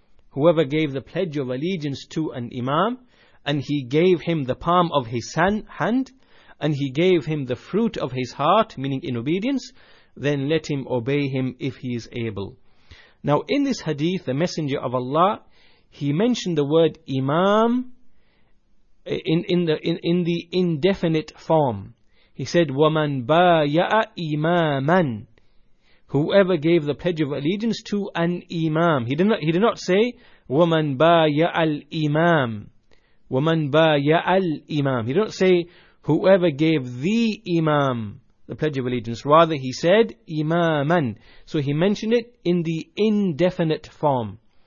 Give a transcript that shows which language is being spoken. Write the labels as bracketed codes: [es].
[en] Whoever gave the pledge of allegiance to an imam, and he gave him the palm of his hand, and he gave him the fruit of his heart, meaning in obedience, then let him obey him if he is able. Now in this hadith, the Messenger of Allah, he mentioned the word imam in the indefinite form. He said, [ar] وَمَنْ بَايَعَ إِمَامًا. [en] Whoever gave the pledge of allegiance to an imam. He did not say, [ar] وَمَنْ بَايَعَ الْإِمَامِ. وَمَنْ بَايَعَ الْإِمَامِ. [en] He did not say, whoever gave the imam the pledge of allegiance. Rather, he said, إِمَامًا. So he mentioned it in the indefinite form.